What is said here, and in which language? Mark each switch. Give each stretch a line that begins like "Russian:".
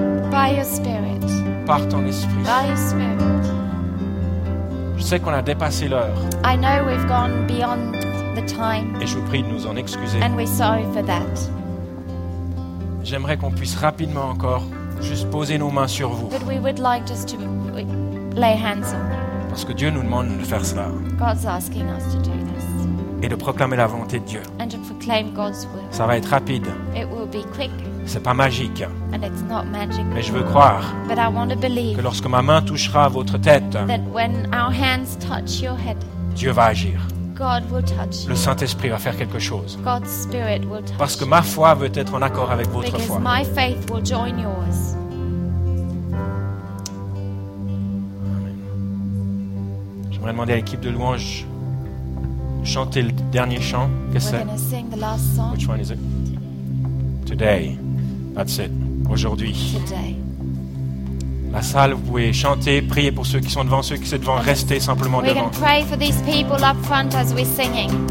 English: By your spirit.
French: Par ton esprit.
English: By your spirit.
French: Je sais qu'on a dépassé l'heure.
English: I know we've gone beyond the time.
French: Et je vous prie de nous en excuser.
English: And we're sorry for that.
French: J'aimerais qu'on puisse rapidement encore juste poser nos mains sur vous.
English: But we would like just to lay hands on you.
French: Parce que Dieu nous demande de faire cela.
English: God's asking us to do this.
French: Et de proclamer la volonté de Dieu.
English: And to proclaim God's will.
French: Ça va être rapide.
English: It will be quick.
French: C'est pas magique.
English: And it's not magic.
French: Mais je veux croire
English: But I want to believe
French: que lorsque ma main touchera votre tête,
English: that when our hands touch your head,
French: Dieu va agir.
English: God will touch
French: Le Saint-Esprit va faire quelque chose.
English: God's Spirit will touch
French: Parce que ma foi veut être en accord avec votre
English: Because
French: foi.
English: My faith will join yours.
French: J'aimerais demander à l'équipe de louange de chanter le dernier chant. Qu'est-ce que c'est?
English: Which one is it? Today. That's it.
French: Aujourd'hui.
English: Today.
French: La salle, vous pouvez chanter, prier pour ceux qui sont devant, ceux qui sont devant, restez simplement
English: we
French: devant.
English: We can pray for these people up front as we're singing.